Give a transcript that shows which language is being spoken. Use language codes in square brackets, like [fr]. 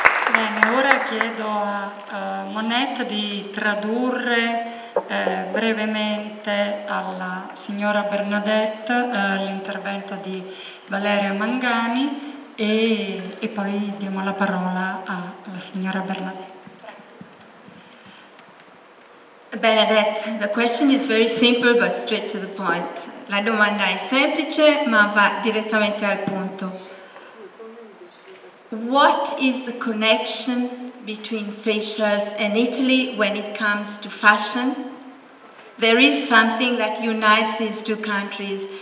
[it] Bene, ora chiedo a Monette di tradurre brevemente alla signora Bernadette l'intervento di Valerio Mangani e poi diamo la parola alla signora Bernadette. [en] Benedette, the question is very simple but straight to the point. [it] La domanda è semplice ma va direttamente al punto. [en] What is the connection between Seychelles and Italy when it comes to fashion? There is something that unites these two countries.